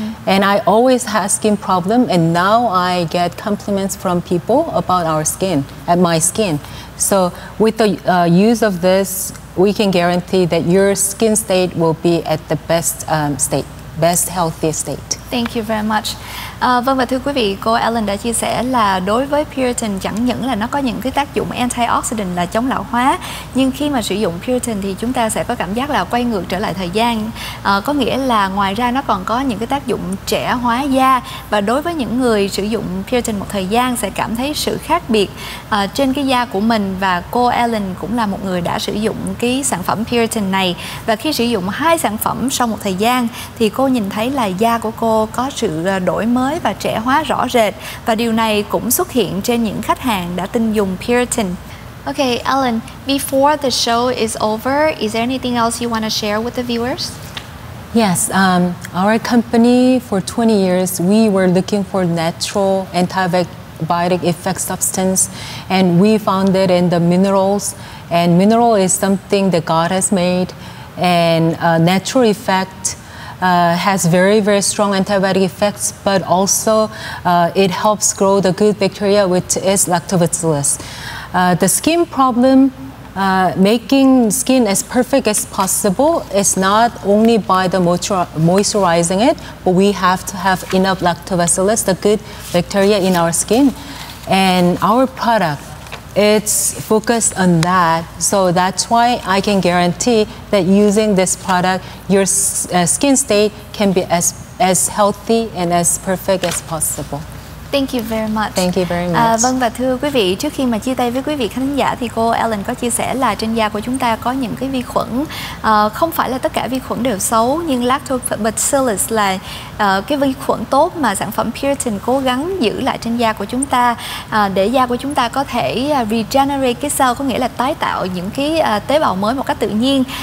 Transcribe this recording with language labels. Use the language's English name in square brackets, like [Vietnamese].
[English] And I always have skin problem, and now I get compliments from people about our skin, at my skin. So with the use of this, we can guarantee that your skin state will be at the best state, best healthy state. Thank you very much. [Vietnamese] Vâng, và thưa quý vị, cô Ellen đã chia sẻ là đối với Puriton chẳng những là nó có những cái tác dụng antioxidant là chống lão hóa, nhưng khi mà sử dụng Puriton thì chúng ta sẽ có cảm giác là quay ngược trở lại thời gian. Có nghĩa là ngoài ra nó còn có những cái tác dụng trẻ hóa da, và đối với những người sử dụng Puriton một thời gian sẽ cảm thấy sự khác biệt trên cái da của mình. Và cô Ellen cũng là một người đã sử dụng cái sản phẩm Puriton này, và khi sử dụng hai sản phẩm sau một thời gian thì cô nhìn thấy là da của cô có sự đổi mới và trẻ hóa rõ rệt, và điều này cũng xuất hiện trên những khách hàng đã tin dùng Puriton. [English] Okay, Ellen, before the show is over, is there anything else you want to share with the viewers? Yes, our company for 20 years, we were looking for natural antibiotic effect substance, and we found it in the minerals, and mineral is something that God has made, and a natural effect has very, very strong antibiotic effects, but also it helps grow the good bacteria, which is lactobacillus. The skin problem, making skin as perfect as possible, is not only by the moisturizing it, but we have to have enough lactobacillus, the good bacteria in our skin. And our product, it's focused on that. So that's why I can guarantee that using this product, your skin state can be as healthy and as perfect as possible. Thank you very much. Thank you very much. [Vietnamese] Vâng, và thưa quý vị, trước khi mà chia tay với quý vị khán giả thì cô Ellen có chia sẻ là trên da của chúng ta có những cái vi khuẩn, không phải là tất cả vi khuẩn đều xấu, nhưng Lactobacillus là cái vi khuẩn tốt mà sản phẩm Puriton cố gắng giữ lại trên da của chúng ta để da của chúng ta có thể regenerate cái cell, có nghĩa là tái tạo những cái tế bào mới một cách tự nhiên.